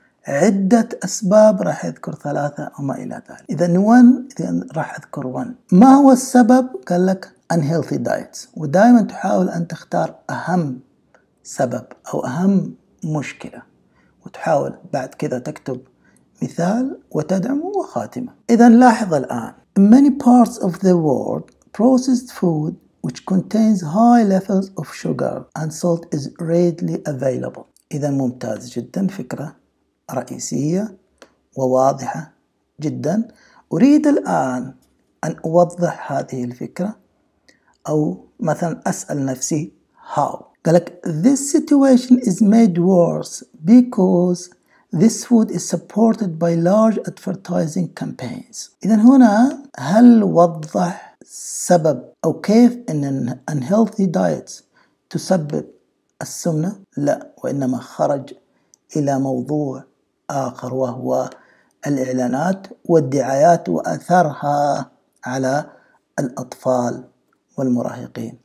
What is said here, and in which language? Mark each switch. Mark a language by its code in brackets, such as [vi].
[ar] عدة أسباب راح أذكر ثلاثة وما إلى ذلك. إذا نون راح أذكر ون. ما هو السبب؟ قال لك unhealthy diets، ودائما تحاول أن تختار أهم سبب أو أهم مشكلة، وتحاول بعد كذا تكتب مثال وتدعمه وخاتمة. إذا لاحظ الآن، [en] many parts of the world processed food which contains high levels of sugar and salt is readily available. [ar] إذا ممتاز جدا، فكرة رئيسية وواضحة جدا. أريد الآن أن أوضح هذه الفكرة، أو مثلا أسأل نفسي how. قالك [en] this situation is made worse because this food is supported by large advertising campaigns. [ar] إذن هنا هل وضح سبب أو كيف أن unhealthy diets تسبب السمنة؟ لا، وإنما خرج إلى موضوع آخر وهو الإعلانات والدعايات وأثرها على الأطفال والمراهقين.